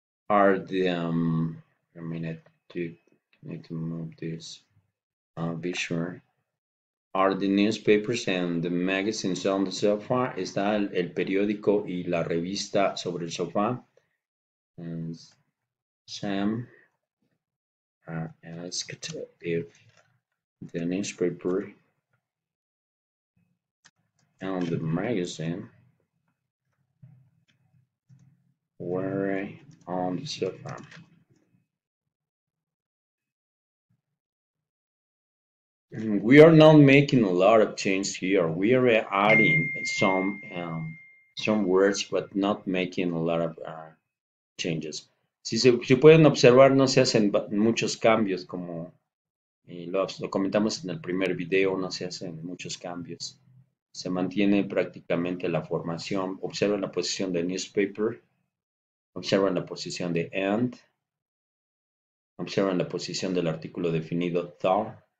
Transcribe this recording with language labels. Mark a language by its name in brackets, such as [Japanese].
[English] Are the, I mean, need to move this. Be sure. Are the newspapers and the magazines on the sofa? [Spanish] ¿Está el periódico y la revista sobre el sofá? [English] And Sam asked if the newspaper and the magazine were on the sofa. We are not making a lot of change here. We are adding some words, but not making a lot of changes. [Spanish] Si pueden observar, no se hacen muchos cambios, como lo comentamos en el primer video, no se hacen muchos cambios. Se mantiene prácticamente la formación. Observen la posición de newspaper. Observen la posición de and. Observen la posición del artículo definido the.